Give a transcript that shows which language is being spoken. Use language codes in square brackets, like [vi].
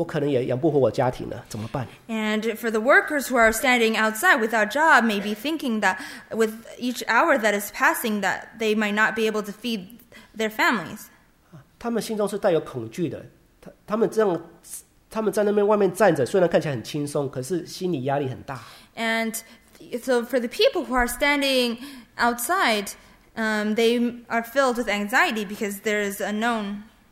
[zh] 他们一直等待说，糟糕，时间一直过去，我如果我找到工作了，我可能也养不活我家庭了，怎么办？ [en] And for the workers who are standing outside without job, may be thinking that with each hour that is passing, that they might not be able to feed their families. [zh] 他们心中是带有恐惧的，他们这样。他们在那边外面站着，虽然看起来很轻松， 可是心理压力很大。 [en] And so for the people who are standing outside, they are filled with anxiety because there is a known.